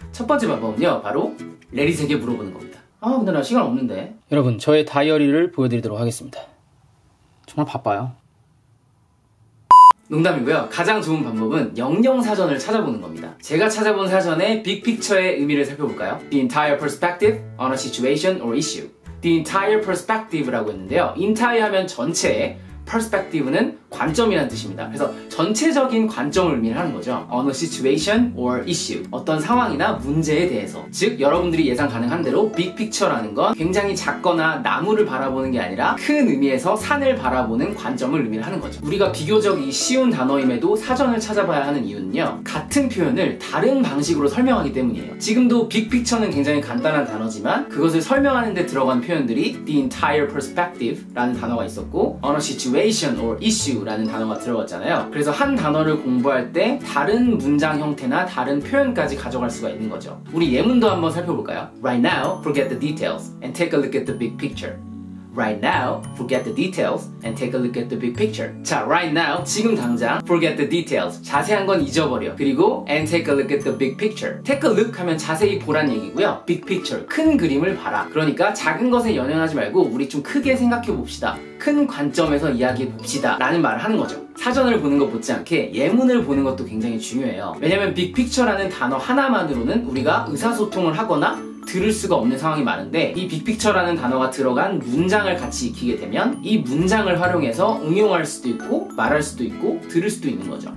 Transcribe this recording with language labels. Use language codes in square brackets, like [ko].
[ko] 첫 번째 방법은요, 바로 레리스에게 물어보는 겁니다. 아, 근데 나 시간 없는데. 여러분, 저의 다이어리를 보여드리도록 하겠습니다. 정말 바빠요. 농담이고요. 가장 좋은 방법은 영영사전을 찾아보는 겁니다. 제가 찾아본 사전의 빅픽처의 의미를 살펴볼까요? [en] The entire perspective on a situation or issue. The entire perspective라고 했는데요. [ko] Entire 하면 전체, perspective는 관점이라는 뜻입니다. 그래서 전체적인 관점을 의미하는 거죠. [en] On a situation or issue. [ko] 어떤 상황이나 문제에 대해서. 즉, 여러분들이 예상 가능한 대로 big picture라는 건 굉장히 작거나 나무를 바라보는 게 아니라 큰 의미에서 산을 바라보는 관점을 의미하는 거죠. 우리가 비교적 이 쉬운 단어임에도 사전을 찾아봐야 하는 이유는요. 같은 표현을 다른 방식으로 설명하기 때문이에요. 지금도 big picture는 굉장히 간단한 단어지만 그것을 설명하는 데 들어간 표현들이 [en] the entire perspective [ko] 라는 단어가 있었고 [en] on a situation or issue [ko] 라는 단어가 들어갔잖아요. 그래서 한 단어를 공부할 때 다른 문장 형태나 다른 표현까지 가져갈 수가 있는 거죠. 우리 예문도 한번 살펴볼까요? [en] Right now, forget the details and take a look at the big picture. Right now, forget the details and take a look at the big picture. 자, right now, [ko] 지금 당장, [en] forget the details. [ko] 자세한 건 잊어버려. 그리고, [en] and take a look at the big picture. Take a look [ko] 하면 자세히 보란 얘기고요. Big picture, 큰 그림을 봐라. 그러니까 작은 것에 연연하지 말고 우리 좀 크게 생각해봅시다. 큰 관점에서 이야기해봅시다. 라는 말을 하는 거죠. 사전을 보는 것 못지않게 예문을 보는 것도 굉장히 중요해요. 왜냐면 big picture라는 단어 하나만으로는 우리가 의사소통을 하거나 들을 수가 없는 상황이 많은데 이 빅픽처라는 단어가 들어간 문장을 같이 익히게 되면 이 문장을 활용해서 응용할 수도 있고 말할 수도 있고 들을 수도 있는 거죠.